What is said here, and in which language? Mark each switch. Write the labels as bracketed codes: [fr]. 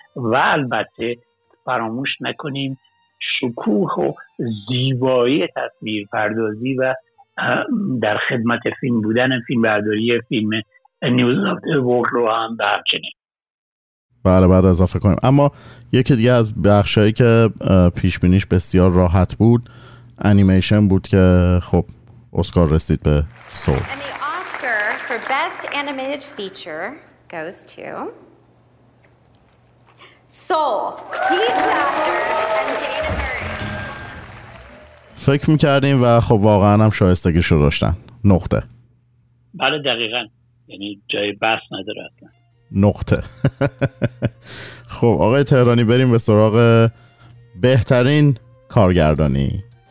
[fa] و البته فراموش نکنیم شکوه و زیبایی تصویر پردازی و در خدمت فیلم بودن فیلم برداری فیلم نیوز آف دی ورلد رو هم در کنیم. بله بعد اضافه کنیم. اما یکی دیگه از بخشایی که پیشبینیش بسیار راحت بود انیمیشن بود که خب اسکار رسید به سول. [en] For best animated feature goes to Soul. Keith [fa] فکر میکردیم و خب واقعا هم شایستگیش رو داشتن. نقطه. بله دقیقاً. یعنی جای بحث نداره اصلا. نقطه. خب آقای تهرانی بریم به سراغ بهترین کارگردانی.